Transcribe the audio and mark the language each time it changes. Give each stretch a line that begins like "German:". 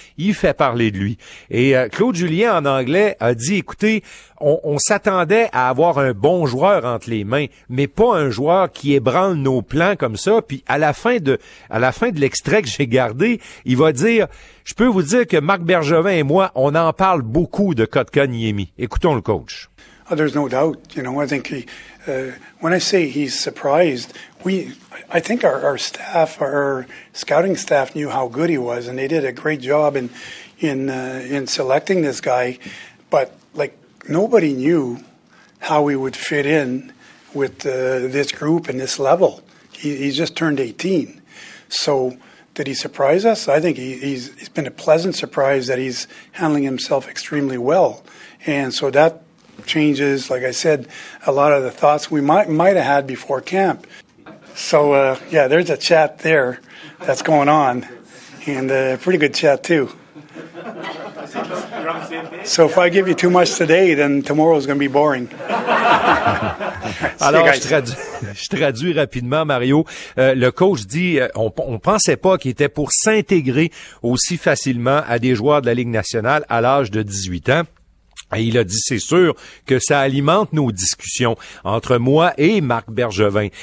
French: Il fait parler de lui. Et Claude Julien, en anglais, a dit, écoutez, on s'attendait à avoir un bon joueur entre les mains, mais pas un joueur qui ébranle nos plans comme ça. Puis à la fin de l'extrait que j'ai gardé, il va dire, je peux vous dire que Marc Bergevin et moi, on en parle beaucoup de Kotkaniemi. Écoutons le coach.
English: Oh, there's no doubt. You know, I think when I say he's surprised, I think our staff, our scouting staff knew how good he was, and they did a great job in selecting this guy. But, like, nobody knew how he would fit in with this group and this level. He's just turned 18. So did he surprise us? I think he's been a pleasant surprise that he's handling himself extremely well. And so that changes, like I said, a lot of the thoughts we might have had before camp. So, yeah, there's a chat there. that's going on, and a pretty good chat too. So if I give you too much today, then tomorrow's going to be boring.
French: Alors, je traduis rapidement, Mario. Le coach dit, on pensait pas qu'il était pour s'intégrer aussi facilement à des joueurs de la Ligue nationale à l'âge de 18 ans. Et il a dit, c'est sûr que ça alimente nos discussions entre moi et Marc Bergevin.